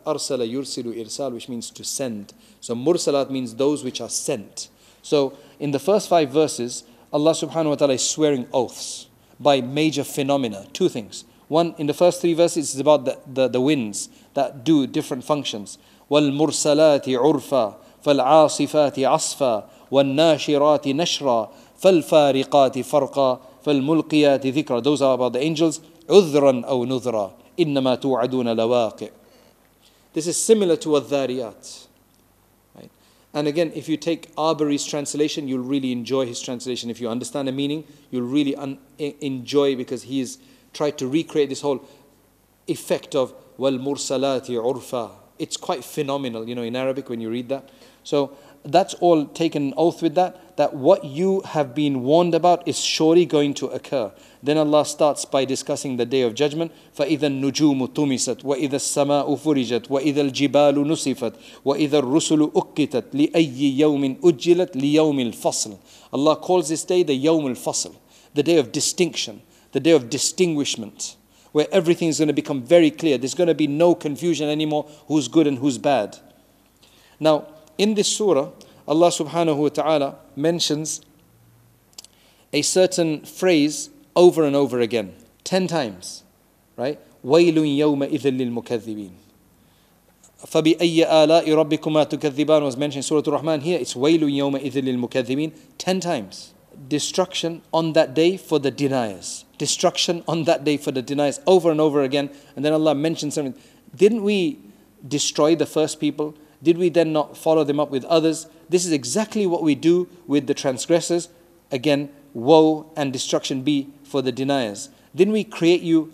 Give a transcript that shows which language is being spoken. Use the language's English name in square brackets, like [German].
[English] Arsala yursilu irsal, which means to send. So mursalat means those which are sent. So in the first five verses, Allah subhanahu wa ta'ala is swearing oaths by major phenomena. Two things. One, in the first three verses, it's about the winds that do different functions. [Arabic] Wal mursalati urfa. فالعاصفات عصفا والناشرات نشرا فالفارقات فرقا فالملقيات ذكرا. [English] Those are about the angels. [Arabic] عذرا أو نذرا إنما توعدون لواقع. [English] This is similar to الذاريات. Right? And again, if you take Arbery's translation, you'll really enjoy his translation. If you understand the meaning, you'll really enjoy, because he's tried to recreate this whole effect of [Arabic] والمرسلات عرفا. [English] It's quite phenomenal, you know, in Arabic when you read that. So that's all taken oath with that what you have been warned about is surely going to occur. Then Allah starts by discussing the Day of Judgment. [Arabic] فَإِذَا النُّجُومُ تُمِسَتْ وَإِذَا السَّمَاءُ فُرِجَتْ وَإِذَا الْجِبَالُ نُسِفَتْ وَإِذَا الرُّسُلُ أُكِّتَتْ لِأَيِّ يَوْمٍ أُجِّلَتْ لِيَوْمِ الْفَصْلِ. [English] Allah calls this day the Yawm al-Fasl, the day of distinction, the day of distinguishment, where everything is going to become very clear. There's going to be no confusion anymore who's good and who's bad. Now, in this surah, Allah subhanahu wa ta'ala mentions a certain phrase over and over again, 10 times, right? [Arabic] وَيْلٌ يَوْمَئِذٍ لِلْمُكَذِّبِينَ فَبِأَيَّ آلَاءِ رَبِّكُمَا تُكَذِّبَانَ [English] was mentioned in Surah Ar-Rahman here. [Arabic] It's وَيْلٌ يَوْمَئِذٍ لِلْمُكَذِّبِينَ [English] 10 times. Destruction on that day for the deniers. Destruction on that day for the deniers over and over again. And then Allah mentions something. Didn't we destroy the first people? Did we then not follow them up with others? This is exactly what we do with the transgressors. Again, woe and destruction be for the deniers. Didn't we create you?